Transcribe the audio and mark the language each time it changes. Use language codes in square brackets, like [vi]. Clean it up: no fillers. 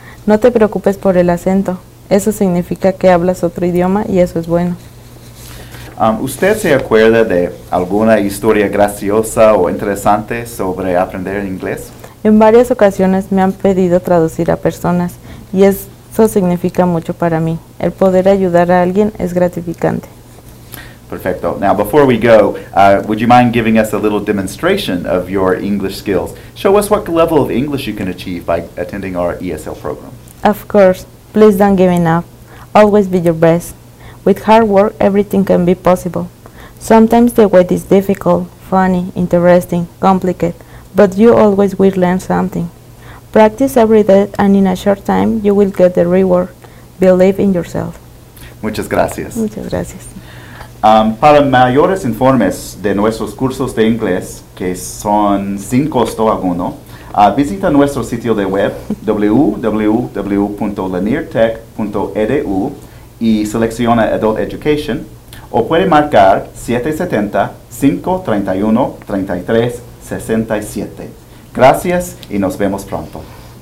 [es] No te preocupes por el acento. Eso significa que hablas otro idioma y eso es bueno. ¿Usted se acuerda de alguna historia graciosa o interesante sobre aprender inglés? En varias ocasiones me han pedido traducir a personas y eso significa mucho para mí. El poder ayudar a alguien es gratificante. Perfecto. [en] Now, before we go, would you mind giving us a little demonstration of your English skills? Show us what level of English you can achieve by attending our ESL program. Of course. Please don't give up. Always be your best. With hard work, everything can be possible. Sometimes the way is difficult, funny, interesting, complicated, but you always will learn something. Practice every day, and in a short time, you will get the reward. Believe in yourself. [es] Muchas gracias. Muchas gracias. Para mayores informes de nuestros cursos de inglés, que son sin costo alguno, visita nuestro sitio de web www.laniertech.edu y selecciona Adult Education o puede marcar 770-531-3367. Gracias y nos vemos pronto.